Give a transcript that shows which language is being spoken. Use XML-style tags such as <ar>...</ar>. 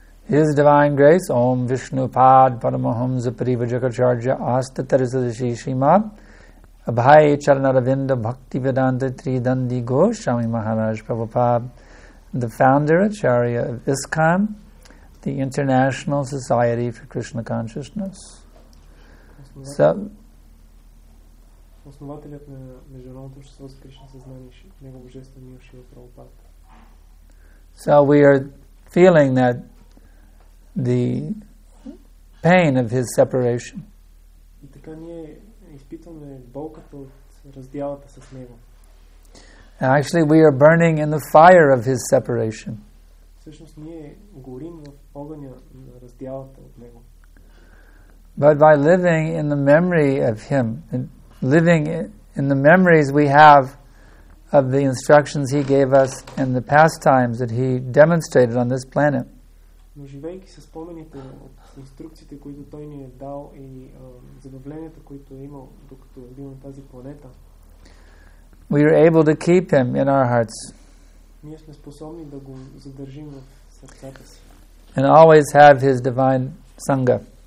<en>His divine grace, Om Vishnu Pad Paramahamsa Parivajakacharya Asta Tarasadashi Srimad Abhay Charanaravinda Bhakti Vedanta Tridandi Ghosh Swami Maharaj Prabhupada, the founder acharya of ISKCON, the International Society for Krishna Consciousness.</en> <bg>So, основателят на международното общество за Кришна съзнание, Него Божествен Мил Шила Прабхупада.</bg> <en>So we are feeling that the pain of his separation.</en> <bg>И така ние изпитваме болката от раздялата с Него.</bg> <en>Actually, we are burning in the fire of his separation.</en> <bg>Всъщност ние горим в огъня на раздялата от Него.</bg> <en>But by living in the memory of him, living in the memories we have of the instructions he gave us and the pastimes that he demonstrated on this planet.</en> <bg>Но живейки с спомените от инструкциите, които той ни е дал и забавленията, които е имал докато е бил на тази планета.</bg> <en>We are able to keep him in our hearts.</en> <bg>Ние сме способни да го задържим в сърцата си.</bg> <en>And always have his divine sangha.</en>